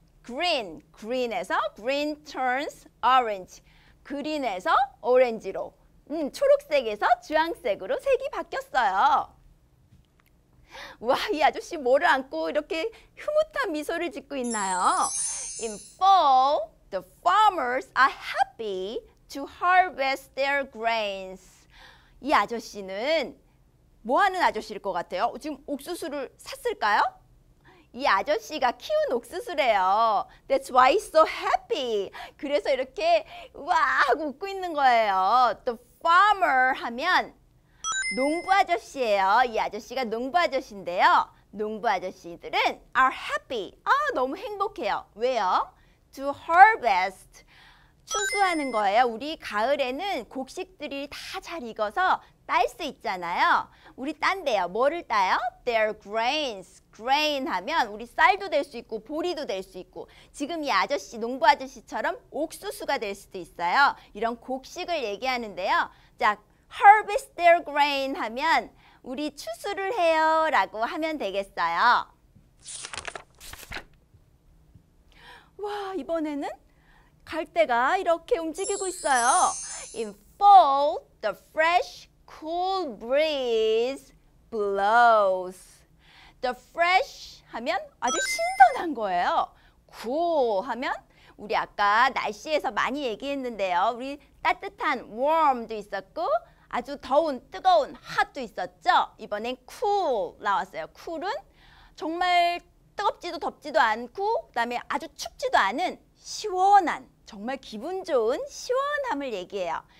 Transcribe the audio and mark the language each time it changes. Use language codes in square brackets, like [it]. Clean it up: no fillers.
[en] Green, green에서 green turns orange. [ko] Green에서 오렌지로, 초록색에서 주황색으로 색이 바뀌었어요. 와, 이 아저씨 뭐를 안고 이렇게 흐뭇한 미소를 짓고 있나요? [en] In fall, the farmers are happy to harvest their grains. [ko] 이 아저씨는 뭐 하는 아저씨일 것 같아요? 지금 옥수수를 샀을까요? 이 아저씨가 키운 옥수수래요. [en] That's why he's so happy. [ko] 그래서 이렇게 와 하고 웃고 있는 거예요. The farmer 하면 농부 아저씨예요. 이 아저씨가 농부 아저씨인데요. 농부 아저씨들은 are happy. 너무 행복해요. 왜요? [en] To harvest. [ko] 추수하는 거예요. 우리 가을에는 곡식들이 다 잘 익어서 딸 수 있잖아요. 우리 딴대요. 뭐를 따요? [en] Their grains. [ko] Grain 하면 우리 쌀도 될 수 있고 보리도 될 수 있고 지금 이 아저씨, 농부 아저씨처럼 옥수수가 될 수도 있어요. 이런 곡식을 얘기하는데요. 자, [en] Harvest their grain [ko] 하면 우리 추수를 해요 라고 하면 되겠어요. 와, 이번에는 갈대가 이렇게 움직이고 있어요. [en] In fall, the fresh cool breeze blows. The fresh [ko] 하면 아주 신선한 거예요. Cool 하면 우리 아까 날씨에서 많이 얘기했는데요. 우리 따뜻한 warm도 있었고 아주 더운 뜨거운 hot도 있었죠. 이번엔 cool 나왔어요. Cool은 정말 뜨겁지도 덥지도 않고 그다음에 아주 춥지도 않은 시원한 정말 기분 좋은 시원함을 얘기해요.